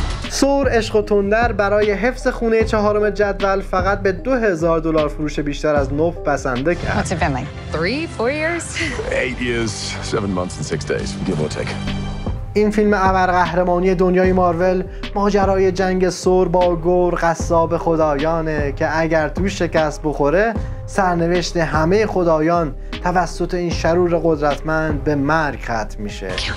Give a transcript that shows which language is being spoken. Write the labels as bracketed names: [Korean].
[Persian] سور عشق و تندر برای حفظ خونه چهارم جدول فقط به 2000 دلار فروش بیشتر از نوپ بسنده کرد. [English] What's it been like? 3-4 years? 8 years, 7 months and 6 days, give or take. [Persian] این فیلم ابرقهرمانی دنیای مارول ماجرای جنگ سور با گور قصاب خدایانه که اگر تو شکست بخوره سرنوشت همه خدایان توسط این شرور قدرتمند به مرگ ختم میشه.